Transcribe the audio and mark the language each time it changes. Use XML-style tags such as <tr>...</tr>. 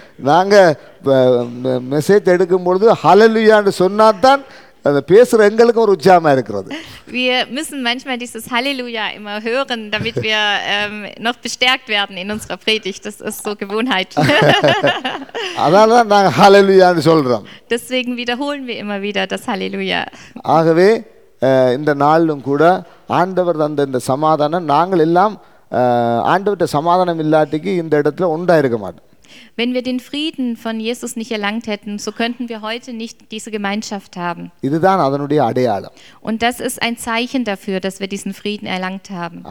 <ta>நாங்க மெசேஜ் எடுக்கும் பொழுது ஹல்லேலூயான்னு சொன்னா தான் அந்த பேசுற எங்களுக்கு ஒரு உற்சாகமா இருக்குது.</ta> <de>Wir müssen manchmal dieses Halleluja immer hören, damit wir noch bestärkt werden in unserer Predigt. Das ist so Gewohnheit.</de> <ta>அதனால தான் நாங்க ஹல்லேலூயான்னு சொல்றோம்.</ta> <de>Deswegen wiederholen wir immer wieder das Halleluja.</de> <ta>ஆகவே இந்த நாளிலும் கூட ஆண்டவர் தந்த இந்த சமாதானம் நாங்கள் எல்லாம் ஆண்டவர்ட சமாதானம் இல்லாட்டிக்கு இந்த இடத்துல உண்டாயிருக்க மாட்டோம்.</ta> <de>Wenn wir den Frieden von Jesus nicht erlangt hätten, so könnten wir heute nicht diese Gemeinschaft haben.</de> <ta>இதுதான் அதனுடைய அடையாளம்.</ta> <de>Und das ist ein Zeichen dafür, dass wir diesen Frieden erlangt haben.</de>